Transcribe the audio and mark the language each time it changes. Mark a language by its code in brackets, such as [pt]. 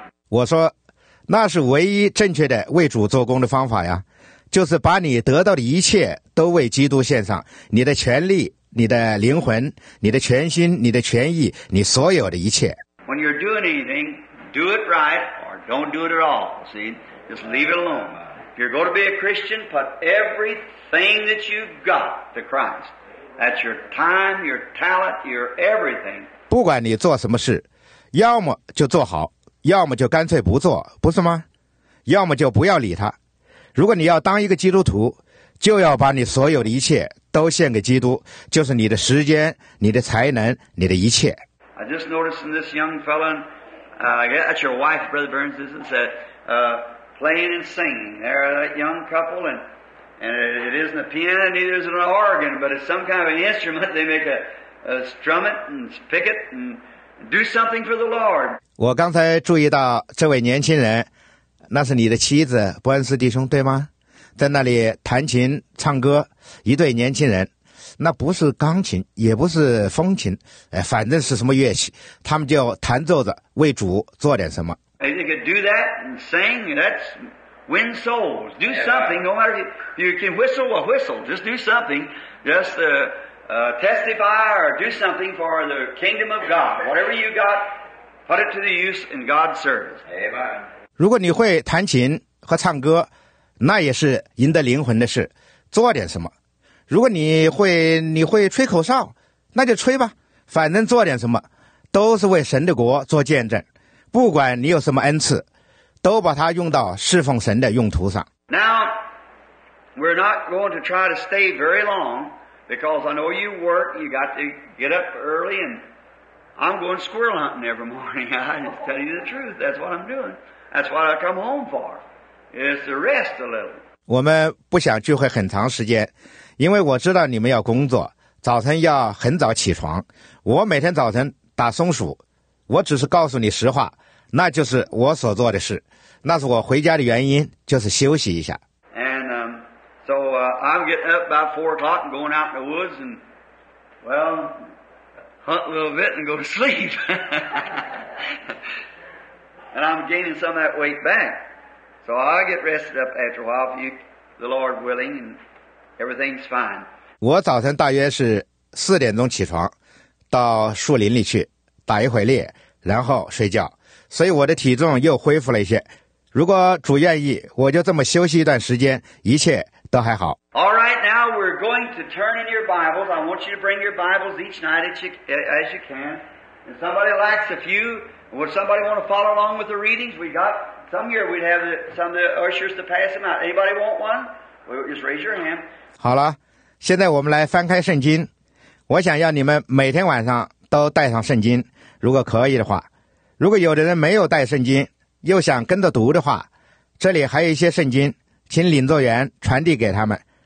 [zh] 我说，那是唯一正确的为主做工的方法呀，就是把你得到的一切都为基督献上，你的权力、你的灵魂、你的全心、你的权益、你所有的一切。 [en] When you're doing anything, do it right or don't do it at all. See, just leave it alone. If you're going to be a Christian, put everything that you've got to Christ. That's your time, your talent, your everything. [zh] 不管你做什么事，要么就做好，要么就干脆不做，不是吗？要么就不要理他。如果你要当一个基督徒，就要把你所有的一切都献给基督，就是你的时间、你的才能、你的一切。 [en] I just noticed in this young fellow, that's your wife, Brother Burns, is it said, playing and singing. There, that young couple, and it isn't a piano, neither is it an organ, but it's some kind of an instrument. They make a strum it and pick it and do something for the Lord. [zh] 我刚才注意到这位年轻人，那是你的妻子伯恩斯弟兄对吗？在那里弹琴唱歌，一对年轻人，那不是钢琴，也不是风琴，反正是什么乐器，他们就弹奏着为主做点什么。 [en] If you could do that and sing, that's win souls. Do something. No matter you can whistle a whistle, just do something. Just testify or do something for the kingdom of God. Whatever you got, put it to the use in God's service. Amen. [zh] 如果你会弹琴和唱歌，那也是赢得灵魂的事，做点什么。如果你会吹口哨，那就吹吧，反正做点什么都是为神的国做见证。不管你有什么恩赐，都把它用到侍奉神的用途上。 [en] Now we're not going to try to stay very long because I know you work, you got to get up early, and I'm going squirrel hunting every morning. I just tell you the truth, that's what I'm doingThat's what I come home for, is to rest a little. [zh] 我们不想聚会很长时间，因为我知道你们要工作，早晨要很早起床。我每天早晨打松鼠，我只是告诉你实话，那就是我所做的事。那是我回家的原因，就是休息一下。 [en] And I'm getting up by 4 o'clock and going out in the woods and, well, hunt a little bit and go to sleep. And I'm gaining some of that weight back. So I get rested up after a while, if you, the Lord willing, and everything's fine. [zh] 我早晨大约是4点钟起床，到树林里去，打一会猎，然后睡觉。所以我的体重又恢复了一些。如果主愿意，我就这么休息一段时间，一切都还好。 [en] All right, now we're going to turn in your Bibles. I want you to bring your Bibles each night as you can. And somebody likes a few... Would somebody want to follow along with the readings? We got some here. We'd have some of the ushers to pass them out. Anybody want one? Well, just raise your hand. [zh] 好了，现在我们来翻开圣经。我想要你们每天晚上都带上圣经，如果可以的话。如果有的人没有带圣经，又想跟着读的话，这里还有一些圣经，请领座员传递给他们。